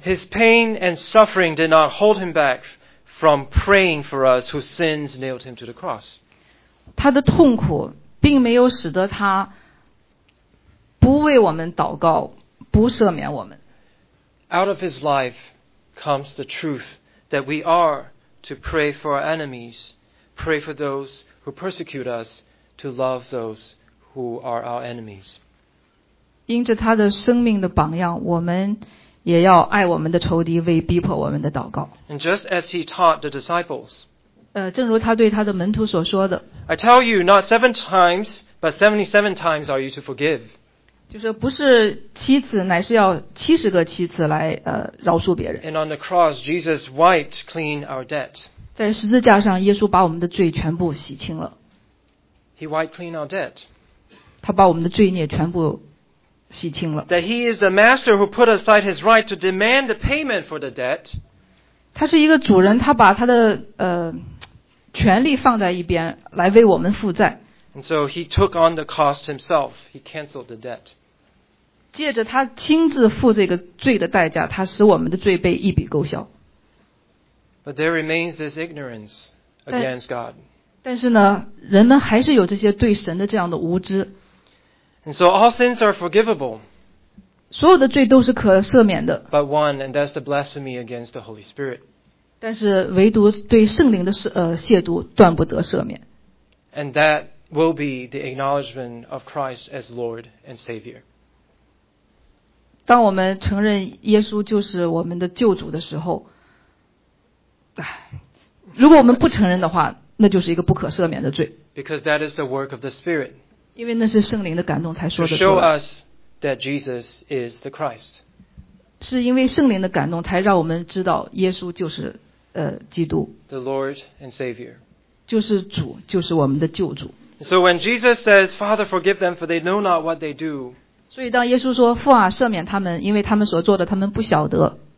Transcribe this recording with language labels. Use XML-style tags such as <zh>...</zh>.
<en>His pain and suffering did not hold him back from praying for us whose sins nailed him to the cross.</en> <zh>他的痛苦并没有使得他不为我们祷告，不赦免我们。</zh> <en>Out of his life comes the truth that we are to pray for our enemies, pray for those who persecute us, to love those who are our enemies.</en> <zh>因着他的生命的榜样，我们也要爱我们的仇敌，为逼迫我们的祷告。</zh> <en>And just as he taught the disciples,</en> <zh>正如他对他的门徒所说的</zh> <en>I tell you, not seven times, but 77 times are you to forgive.</en> <zh>就是不是七次，乃是要七十个七次来饶恕别人。</zh> <en>And on the cross, Jesus wiped clean our debt.</en> <zh>在十字架上，耶稣把我们的罪全部洗清了。</zh> <en>He wiped clean our debt.</en> <zh>他把我们的罪孽全部洗清了。</zh> <en>That he is the master who put aside his right to demand the payment for the debt.</en> <zh>他是一个主人，他把他的权力放在一边，来为我们负债。</zh> <en>And so he took on the cost himself. He canceled the debt.</en> <zh>借着他亲自付这个罪的代价，他使我们的罪被一笔勾销。</zh> <en>But there remains this ignorance against God.</en> <zh>但是呢，人们还是有这些对神的这样的无知。</zh> <en>And so all sins are forgivable.</en> <zh>所有的罪都是可赦免的。</zh> <en>But one, and that's the blasphemy against the Holy Spirit.</en> <zh>但是唯独对圣灵的亵渎断不得赦免。</zh> <en>And that will be the acknowledgement of Christ as Lord and Savior.</en> <zh>当我们承认耶稣就是我们的救主的时候，如果我们不承认的话，那就是一个不可赦免的罪。</zh> <en>Because that is the work of the Spirit.</en> <zh>因为那是圣灵的感动才说得出来。</zh> <en>That Jesus is the Christ.</en> <zh>是因为圣灵的感动才让我们知道耶稣就是基督。</zh> <en>The Lord and Savior.</en> <zh>就是主，就是我们的救主。</zh> <en>So when Jesus says, Father, forgive them, for they know not what they do.</en> <zh>所以当耶稣说，父啊，赦免他们，因为他们所做的，他们不晓得。</zh>